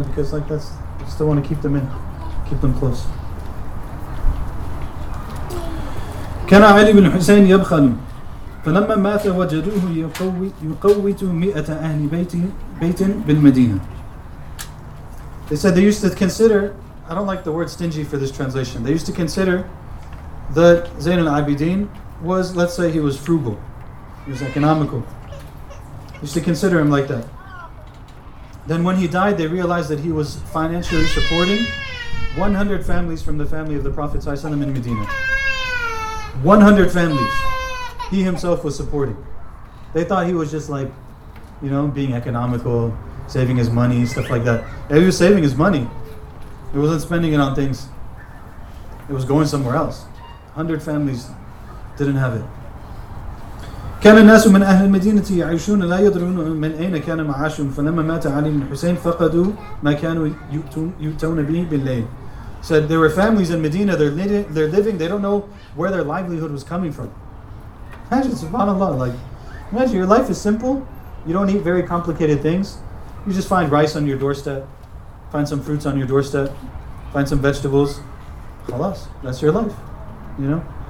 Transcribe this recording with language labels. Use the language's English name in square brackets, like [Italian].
[English] Because like that's, I still want to keep them in, keep them close. [Arabic] كان علي بن حسين يبخل فلما مات وجدوه يقوت مئة أهل بيت بالمدينة. [English] They said they used to consider, I don't like the word stingy for this translation, they used to consider that Zayn al-Abidin was, let's say he was frugal, he was economical. Used to consider him like that. Then when he died, they realized that he was financially supporting 100 families from the family of the Prophet ﷺ in Medina. 100 families he himself was supporting. They thought he was just like, you know, being economical, saving his money, stuff like that. Yeah, he was saving his money. He wasn't spending it on things. It was going somewhere else. 100 families didn't have it. [Arabic] كان الناس من أهل المدينة يعيشون لا يدرون من أين كان معاشهم فلما مات علي بن حسين فقدوا ما كانوا يؤتون به بالليل. [English] Said there were families in Medina, they're living, they don't know where their livelihood was coming from. Imagine, subhanAllah, like, imagine your life is simple, you don't eat very complicated things, you just find rice on your doorstep, find some fruits on your doorstep, find some vegetables, khalas, that's your life, you know?